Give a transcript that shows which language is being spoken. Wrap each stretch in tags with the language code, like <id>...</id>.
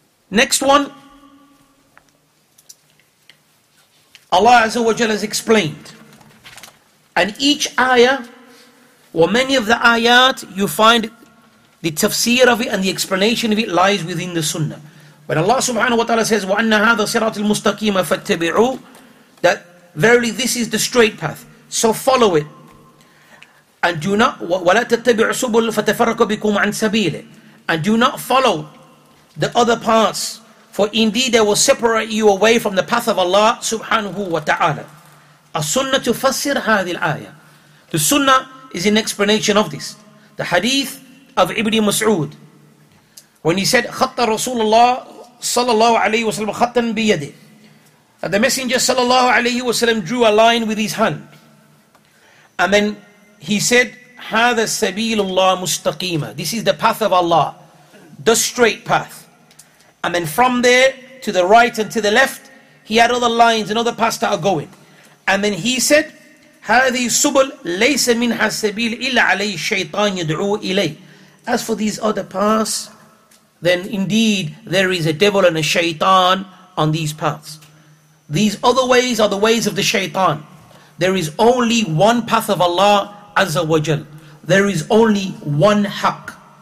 <en>Next one, Allah Azza wa Jal has explained, and each ayah, or many of the ayat, you find the tafsir of it and the explanation of it lies within the sunnah. When Allah subhanahu wa ta'ala says,</en> <ar>wa anna hadha siratul mustaqima fattabi'u,</ar> <en>that verily this is the straight path, so follow it. And do not</en> <ar>وَلَا تَتَّبِعُ سُبُلُ فَتَفَرَّقُ بِكُمْ عَنْ سَبِيلِ.</ar> <en>And do not follow the other paths, for indeed they will separate you away from the path of Allah subhanahu wa ta'ala.</en> <ar>As-sunnah tufassir هذه الآية.</ar> <en>The sunnah is an explanation of this. The hadith of Ibn Mas'ud, when he said,</en> <ar>خَطَّ رَسُولُ اللَّهِ صَلَى اللَّهُ عَلَيْهِ وَسَلَمْ خَطًّا بِيَدِهِ.</ar> <en>That the Messenger sallallahu alayhi wa sallam drew a line with his hand. And then he said,</en> <ar>هذا سبيل الله مستقيمة.</ar> <en>This is the path of Allah, the straight path. And then from there, to the right and to the left, he had other lines and other paths that are going. And then he said,</en> <ar>هذه سبل ليس منها سبيل إلا عليه الشيطان يدعو إليه.</ar> <en>As for these other paths, then indeed there is a devil and a shaitan on these paths. These other ways are the ways of the shaitan. There is only one path of Allah Azza wa Jal. There is only one haq.</en>